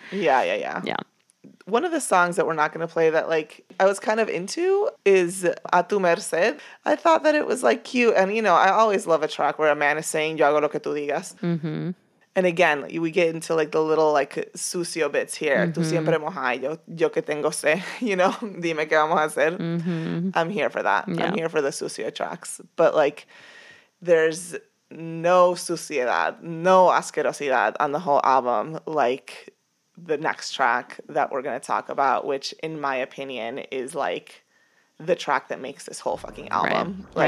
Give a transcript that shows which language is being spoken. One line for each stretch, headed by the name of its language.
English: Yeah. One of the songs that we're not going to play that, like, I was kind of into is A Tu Merced. I thought that it was, like, cute. And, you know, I always love a track where a man is saying,
Spanish: yo hago lo que tú digas.
English: Mm-hmm. And, again, we get into, like, the little, like, sucio bits here.
Spanish: Mm-hmm. Tú siempre mojas, yo que tengo sé.
English: You know,
Spanish: dime qué vamos a hacer.
English: Mm-hmm. I'm here for that. Yeah. I'm here for the sucio tracks. But, like, there's no
Spanish: suciedad, no asquerosidad
English: on the whole album, like, the next track that we're going to talk about, which in my opinion is like the track that makes this whole fucking album.